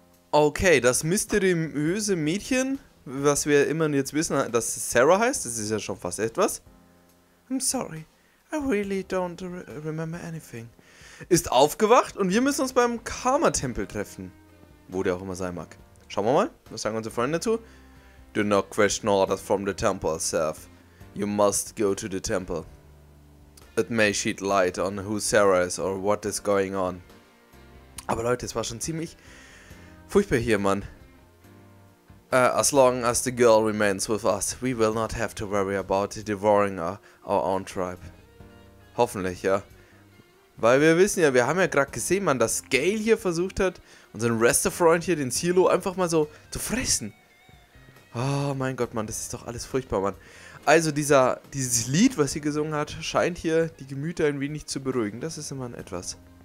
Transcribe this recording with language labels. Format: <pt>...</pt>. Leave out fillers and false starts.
<de>Okay, das mysteriöse Mädchen, was wir immer jetzt wissen, dass es Sarah heißt, das ist ja schon fast etwas.</de> <en>I'm sorry, I really don't remember anything.</en> <de>Ist aufgewacht und wir müssen uns beim Karma-Tempel treffen. Wo der auch immer sein mag. Schauen wir mal, was sagen unsere Freunde dazu?</de> <en>Do not question orders from the temple, Seth. You must go to the temple. It may shed light on who Sarah is or what is going on.</en> <de>Aber Leute, es war schon ziemlich furchtbar hier, Mann.</de> <en>As long as the girl remains with us, we will not have to worry about devouring our own tribe.</en> <de>Hoffentlich, ja. Weil wir wissen ja, wir haben ja gerade gesehen, Mann, dass Gale hier versucht hat, unseren Rester-Freund hier, den Silo, einfach mal so zu fressen. Oh mein Gott, Mann, das ist doch alles furchtbar, Mann. Also dieses Lied, was sie gesungen hat, scheint hier die Gemüter ein wenig zu beruhigen. Das ist immer ein etwas.</de>